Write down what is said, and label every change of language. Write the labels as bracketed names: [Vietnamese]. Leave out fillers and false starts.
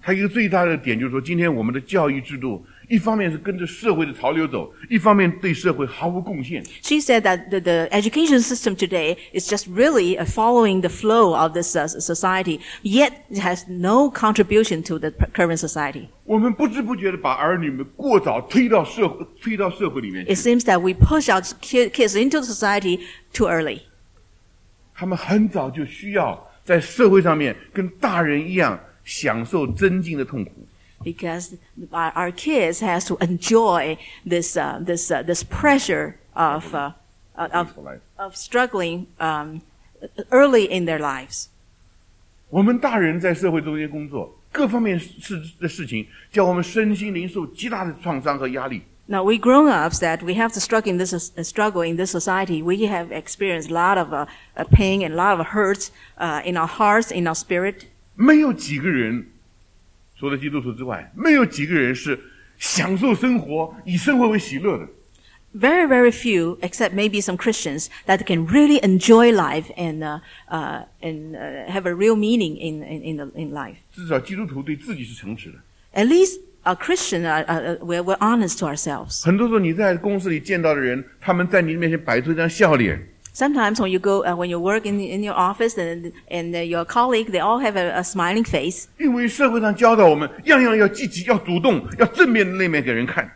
[Chinese] 他一个最大的点就是说，今天我们的教育制度，一方面是跟着社会的潮流走，一方面对社会毫无贡献。 [English] She said that the education system today is just really following the flow of this society, yet it has no contribution to the current society. [Chinese] 我们不知不觉地把儿女们过早推到社会里面去。 [English] It seems that we push our kids into society too early. [Chinese] 他们很早就需要在社会上面跟大人一样享受尊敬的痛苦。 [English] Because our kids has to enjoy this pressure of struggling early in their lives. [Chinese] 我们大人在社会中间工作，各方面的事情，叫我们身心灵受极大的创伤和压力。 [English] Now we grown-ups that we have to struggle in this society, we have experienced a lot of pain and a lot of hurts in our hearts, in our spirit. [Chinese] 没有几个人除了基督徒之外没有几个人是享受生活以生活为喜乐的。 [English] Very, very few, except maybe some Christians, that can really enjoy life and have a real meaning in life. [Chinese] 至少基督徒对自己是诚实的。 [English] At least,A Christian, we're honest to ourselves. [Chinese] 很多时候你在公司里见到的人，他们在你面前摆出一张笑脸。 [English] Sometimes when you go, when you work in your office and your colleague, they all have a smiling face. [Chinese] 因为社会上教导我们，样样要积极，要主动，要正面的那面给人看。